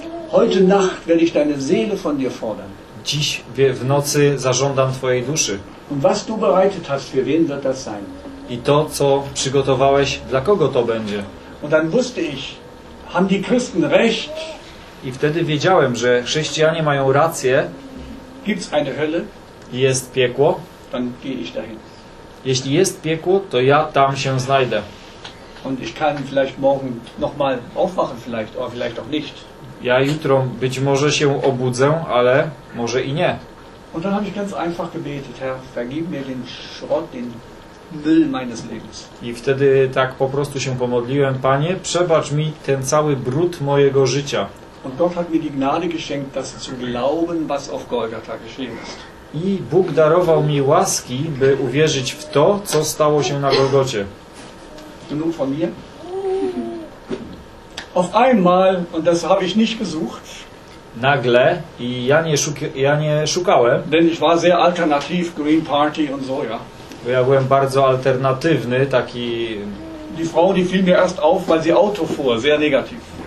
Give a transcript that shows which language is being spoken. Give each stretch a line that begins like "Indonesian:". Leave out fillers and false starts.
German: Heute Nacht werde ich deine Seele von dir fordern.
Polish: Dziś w nocy zażądam twojej duszy.
German: Und was du bereitet hast, für wen wird das sein?
Polish: I to, co przygotowałeś, dla kogo to będzie?
German: Und dann wusste ich, haben die Christen recht?
Polish: I wtedy wiedziałem, że chrześcijanie mają rację.
German: Gibt's eine Hölle?
Polish: Jest piekło.
German: Dann gehe ich dahin.
Polish: Jeśli jest piekło, to ja tam się znajdę.
German: Und ich kann vielleicht morgen noch mal aufwachen, vielleicht, oder vielleicht auch nicht.
Polish: Ja jutro być może się obudzę, ale może i nie.
German: Und dann habe ich ganz einfach gebetet, Herr, vergib mir den Schrott, den Müll meines Lebens.
Polish: I wtedy tak po prostu się pomodliłem, Panie, przebacz mi ten cały brud mojego życia.
German: Und Gott hat mir die Gnade geschenkt, das zu glauben, was auf Golgatha geschehen ist.
Polish: I Bóg darował mi łaski, by uwierzyć w to, co stało się na Golgocie.
German: Genug von mir. Auf einmal, und das habe ich nicht gesucht.
Polish: Nagle, i ja nie szukałem.
German: Denn ich war sehr alternativ, Green Party und so, ja.
Polish: Bo ja byłem bardzo alternatywny, taki.
German: Die Frau, die fiel mir erst auf, weil sie Auto fuhr, sehr negativ.